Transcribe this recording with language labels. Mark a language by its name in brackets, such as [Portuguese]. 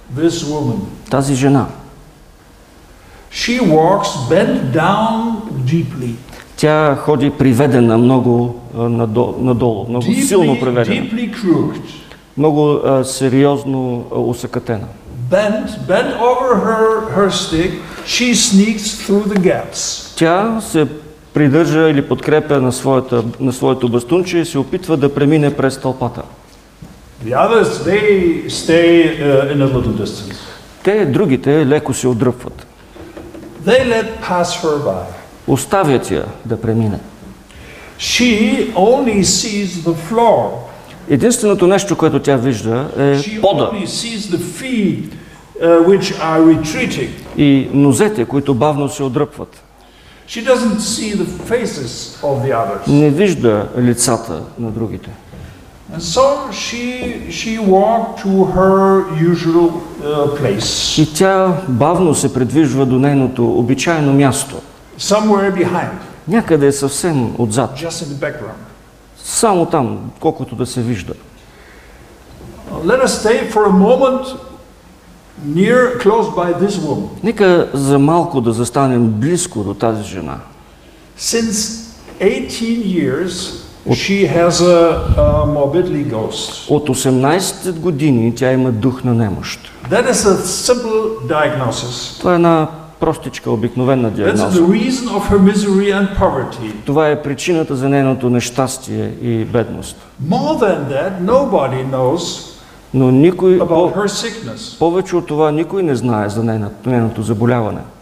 [English] This woman. [Bulgarian] Тази жена. [English] She walks bent down deeply. [Bulgarian] Тя ходи приведена много надолу, много [English] deeply, [Bulgarian] силно приведена. [English] Deeply crooked. [Bulgarian] Много сериозно усъкатена. [English] Bent over her stick, she sneaks through the gaps. [Bulgarian] Тя се придържа или подкрепя на своето бастунче и се опитва да премине през тълпата. [English] The others, they stay in a little distance. [Bulgarian] Те, другите, леко се отдръпват. [English] They let pass her by. [Bulgarian] Оставят я да премине. [English] She only sees the floor. [Bulgarian] Единственото нещо, което тя вижда, е пода. [English] She only sees the feet, which are retreating. [Bulgarian] И нозете, които бавно се отдръпват. [English] She doesn't see the faces of the others. [Bulgarian] Не вижда лицата на другите. [English] And so she walked to her usual place. [Bulgarian] И тя бавно се придвижва до нейното обичайно място. [English] Somewhere behind. [Bulgarian] Някъде съвсем отзад. [English] Just in the background. [Bulgarian] Само там, колкото да се вижда. [English] Let us stay for a moment near close by this woman. [Bulgarian] Нека за малко да застанем близко до тази жена. [English] Since 18 years she has a morbidly ghost. [Bulgarian] От 18 години тя има дух на немощ. [English] That is a simple diagnosis. [Bulgarian] Това е една простичка обикновена диагноза. [English] That's the reason of her misery and poverty. [Bulgarian] Това е причината за нейното нещастие и бедност. [English] More than that, nobody knows [Bulgarian] Но никой [English] about her sickness. [Bulgarian] Повече от това никой не знае за нейното заболяване.